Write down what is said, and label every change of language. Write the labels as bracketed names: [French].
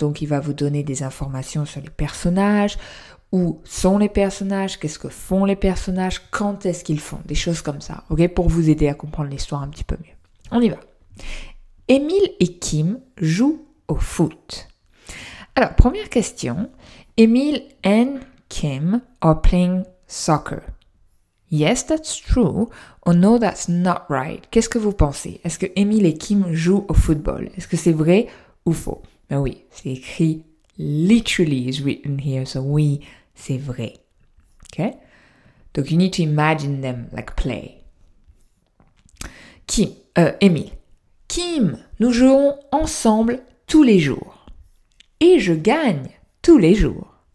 [French] Donc, il va vous donner des informations sur les personnages, où sont les personnages, qu'est-ce que font les personnages, quand est-ce qu'ils font, des choses comme ça, ok, pour vous aider à comprendre l'histoire un petit peu mieux. On y va. Émile et Kim jouent au foot. Alors, première question. [English] Emile and Kim are playing soccer. Yes, that's true. Or no, that's not right. [French] Qu'est-ce que vous pensez? Est-ce que Emile et Kim jouent au football? Est-ce que c'est vrai ou faux? Ben oui, c'est écrit [English] literally is written here. [French] So oui, c'est vrai. Okay? [English] Donc you need to imagine them like play. [French] Emile, Kim, nous jouons ensemble tous les jours. Et je gagne. Tous les jours.